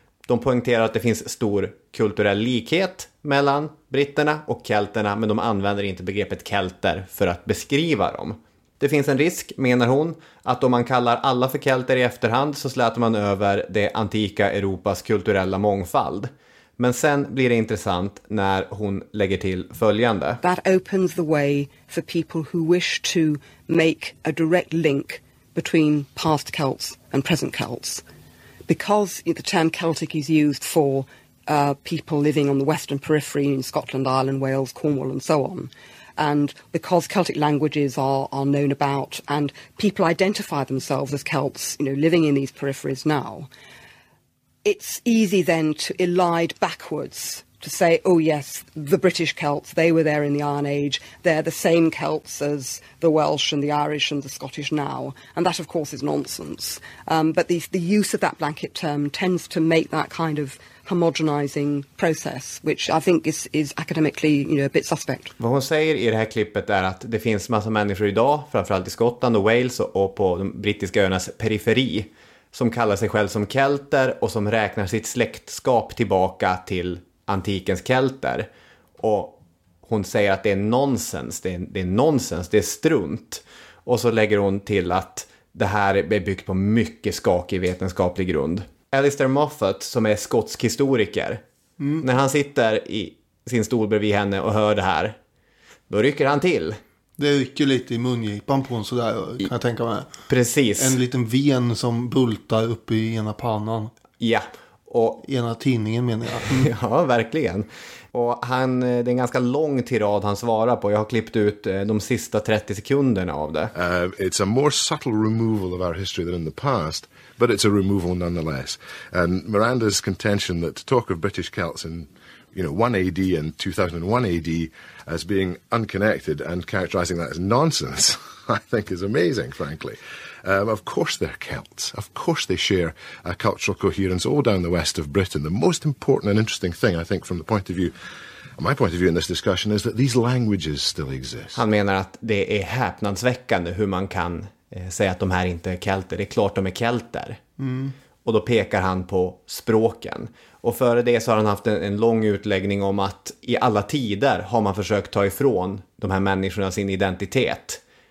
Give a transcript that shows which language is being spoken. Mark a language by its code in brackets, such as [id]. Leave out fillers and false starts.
[sv] De poängterar att det finns stor kulturell likhet mellan britterna och kelterna, men de använder inte begreppet kelter för att beskriva dem. Det finns en risk, menar hon, att om man kallar alla för kelter i efterhand så släter man över det antika Europas kulturella mångfald. Men sen blir det intressant när hon lägger till följande. [en] That opens the way for people who wish to make a direct link between past Celts and present Celts. Because the term Celtic is used for people living on the western periphery in Scotland, Ireland, Wales, Cornwall and so on. And because Celtic languages are known about and people identify themselves as Celts, you know, living in these peripheries now, it's easy then to elide backwards to say, oh yes, the British Celts, they were there in the Iron Age, they're the same Celts as the Welsh and the Irish and the Scottish now. And that, of course, is nonsense. But the use of that blanket term tends to make that kind of homogenizing process, which I think is academically, you know, a bit suspect. [sv] Vad hon säger i det här klippet är att det finns massa människor idag, framförallt i Skottland och Wales och på de brittiska öarnas periferi, som kallar sig själv som kelter och som räknar sitt släktskap tillbaka till antikens kelter. Och hon säger att det är nonsens, det är nonsens, det är strunt. Och så lägger hon till att det här är byggt på mycket skakig vetenskaplig grund. Alistair Moffat, som är skotsk historiker, när han sitter i sin stol bredvid henne och hör det här, då rycker han till. Det rycker lite i mungipan på hon sådär, kan jag tänka mig. Precis. En liten ven som bultar upp i ena pannan. Ja. Och ena tidningen, menar jag. Ja, verkligen. Och det är en ganska lång tirad han svarar på. Jag har klippt ut de sista 30 sekunderna av det. [en] It's a more subtle removal of our history than in the past, but it's a removal nonetheless. And Miranda's contention that to talk of British Celts in, you know, 1 AD and 2001 AD as being unconnected and characterizing that as nonsense, I think is amazing, frankly. Of course they're Celts. Of course they share a cultural coherence all down the west of Britain. The most important and interesting thing, I think, from the point of view, my point of view in this discussion, is that these languages still exist. [sv] Han menar att det är häpnadsväckande hur man kan säga att de här inte är kelter. Det är klart de är kelter. Mm. Och då pekar han på språken. Och före det så har han haft en lång utläggning om att i alla tider har man försökt ta ifrån de här människorna sin identitet.